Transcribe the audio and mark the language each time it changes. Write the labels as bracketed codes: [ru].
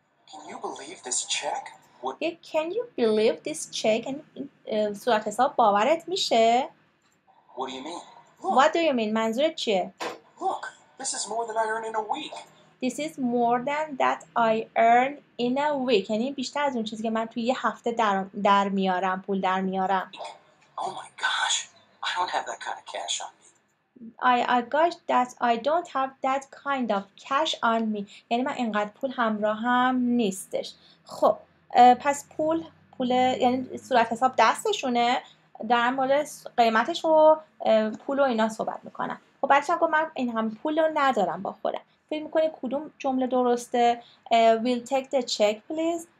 [en] Can you believe this check? Can you believe this check? [fa] صورت حساب باورت میشه؟ [en] What do you mean? Look. What do you mean? [fa] منظورت چیه؟ [en] Look, this is more than I earn in a week. This is more than that I earn in a week. [fa] یعنی بیشتر از اون چیزی که من توی یه هفته در میارم، پول در میارم. [en] Oh my gosh, I don't have that kind of cash on me. I don't have that kind of cash on me. [fa] یعنی من اینقدر پول همراهم نیستش. خب، پس پول یعنی صورت حساب دستشونه، در مورد قیمتش و پول و اینا صحبت میکنم. خب بچه‌ها گفت من این هم پول رو ندارم با خودم. فکر میکنی کدوم جمله درسته؟ [en] Will take the check please.